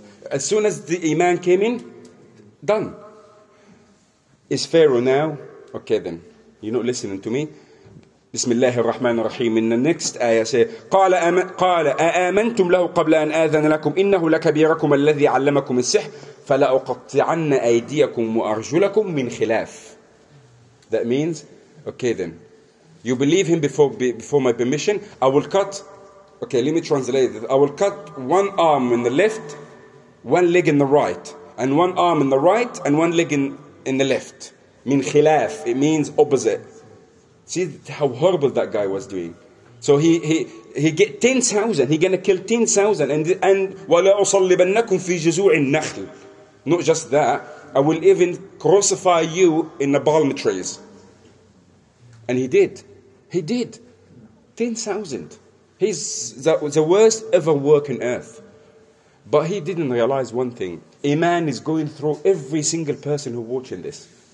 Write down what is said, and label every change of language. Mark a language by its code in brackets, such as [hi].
[en] As soon as the iman came in, done. Is Pharaoh now? Okay then, you're not listening to me. [ar] بسم الله الرحمن الرحيم إن [en] النكست [ar] آية قال أآمنتم له قبل أن آذن لكم إنه لكبيركم الذي علمكم السحر فلا أقطعن أيديكم وأرجلكم من خلاف. [en] That means, okay then, you believe him before my permission, I will cut, okay, let me translate it. I will cut one arm in the left, one leg in the right, and one arm in the right, and one leg in the left. [ar] من خلاف, [en] it means opposite. See how horrible that guy was doing. So he get 10,000. He gonna kill 10,000. [ar] And ولا أصلبنكم في جزوع النخل. [en] Not just that, I will even crucify you in the palm trees. And he did. He did. 10,000. He's the worst ever work on earth. But he didn't realize one thing. Iman is going through every single person who watching this.